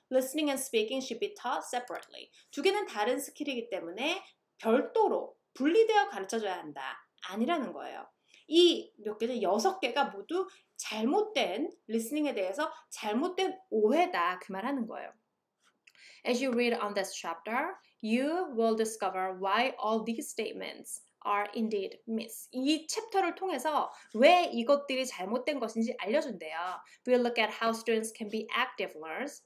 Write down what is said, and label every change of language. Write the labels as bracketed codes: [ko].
[en] Listening and speaking should be taught separately. [ko] 두 개는 다른 스킬이기 때문에 별도로 분리되어 가르쳐줘야 한다. 아니라는 거예요. 이몇 개는 여섯 개가 모두 잘못된 리스닝에 대해서 잘못된 오해다. 그 말하는 거예요. [en] As you read on this chapter, you will discover why all these statements are indeed myths. [ko] 이 챕터를 통해서 왜 이것들이 잘못된 것인지 알려준대요. [en] We'll look at how students can be active learners.